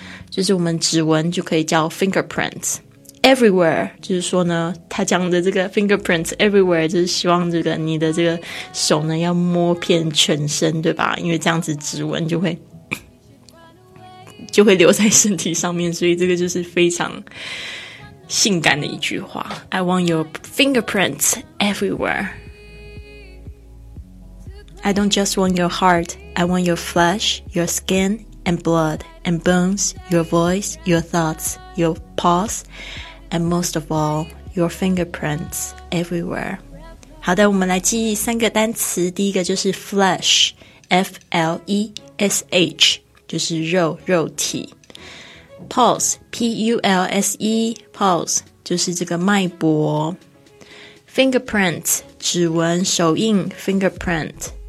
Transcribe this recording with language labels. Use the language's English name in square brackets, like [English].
[Chinese] 就是我们指纹就可以叫 fingerprintseverywhere, 就是说呢，他讲的这个 [English] fingerprints everywhere, [Chinese] 就是希望这个你的这个手呢要摸遍全身，对吧？因为这样子指纹就会留在身体上面，所以这个就是非常性感的一句话。 [English] I want your fingerprints everywhere, I don't just want your heart, I want your flesh, your skin and blood and bones, your voice, your thoughts, your pulseAnd most of all, your fingerprints everywhere. [Chinese] 好的，我们来记忆三个单词。第一个就是 flesh, F-L-E-S-H, 就是肉，肉体。 Pulse, P-U-L-S-E, pulse, 就是这个脉搏。 Fingerprint, 指纹，手印， fingerprint.